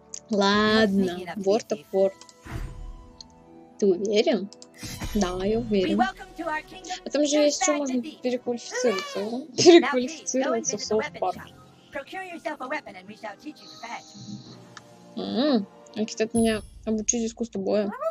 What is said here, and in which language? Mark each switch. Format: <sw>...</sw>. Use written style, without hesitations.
<ru>Ладно, вор так вор. Ты уверен? Да, я уверен. А там же есть что можно переквалифицироваться. Переквалифицироваться в соус-парк.</ru> <en>Procure yourself a weapon and we shall teach you to fight.</en> <ru>Они хотят меня обучить искусству боя.</ru>